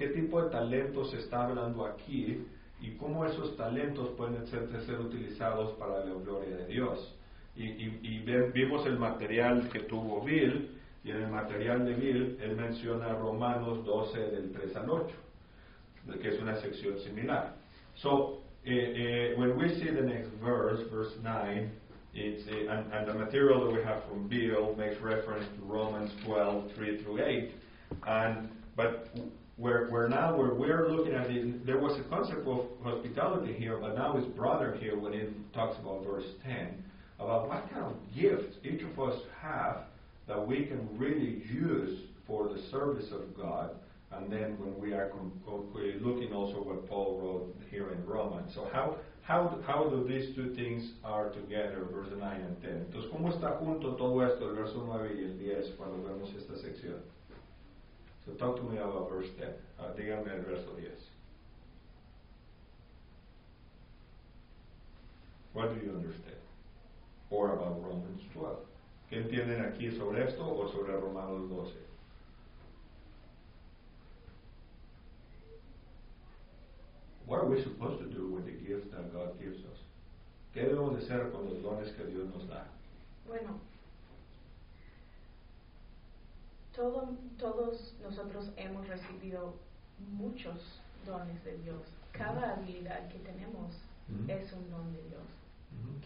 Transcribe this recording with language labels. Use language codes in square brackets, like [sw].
[es] ¿Qué tipo de talentos está hablando aquí? ¿Y cómo esos talentos pueden ser utilizados para la gloria de Dios? Vimos el material que tuvo Bill, y en el material de Bill, él menciona Romanos 12 del 3 al 8, que es una sección similar. [en] So, when we see the next verse 9, it's the material that we have from Bill makes reference to Romans 12, 3 through 8. But where we're looking at it, there was a concept of hospitality here, but now it's broader here when it talks about verse 10, about what kind of gifts each of us have that we can really use for the service of God. And then when we are looking also what Paul wrote here in Romans. So how do these two things are together, verse 9 and 10? [es] Entonces, ¿cómo está junto todo esto, el verso 9 y el 10, cuando vemos esta sección? [en] So talk to me about verse 10. [es] Díganme el verso 10. [en] What do you understand? Or about Romans 12. [es] ¿Qué entienden aquí sobre esto o sobre Romanos 12? [en] What are we supposed to do with the gifts that God gives us? [es] ¿Qué debemos de hacer con los dones que Dios nos da? Bueno, todos nosotros hemos recibido muchos dones de Dios. Cada habilidad que tenemos mm-hmm. es un don de Dios mm-hmm.